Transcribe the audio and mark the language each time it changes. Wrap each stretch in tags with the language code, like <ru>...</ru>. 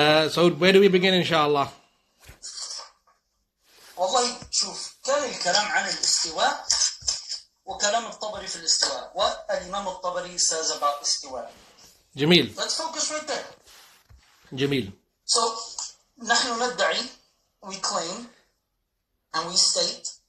<en>So where do we begin إن شاء الله؟</en> <ar>والله شوف كان الكلام عن الاستواء وكلام الطبري في الاستواء والإمام الطبري</ar> <en>says about</en> <ar>استواء. جميل.</ar> <en>Let's focus right there.</en> <ar>جميل.</ar> <en>So</en> <ar>نحن ندعي</ar> <en>we claim and we state</en>